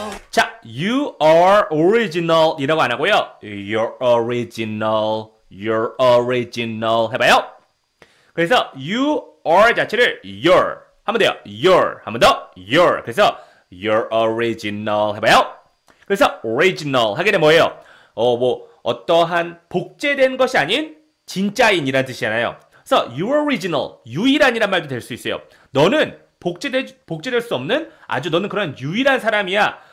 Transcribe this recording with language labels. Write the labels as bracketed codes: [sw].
[ko] 자, [en] you are original [ko] 이라고 안 하고요. [en] You're original. You're original 해봐요. [ko] 그래서 you are 자체를 your 하면 돼요. Your 한 번 더 your. 그래서 [en] you're original [ko] 해봐요. 그래서 original 하게 되면 뭐예요? 뭐 어떠한 복제된 것이 아닌 진짜인이라는 뜻이잖아요. 그래서 you're original, 유일한이란 말도 될 수 있어요. 너는 복제될 수 없는, 아주 너는 그런 유일한 사람이야.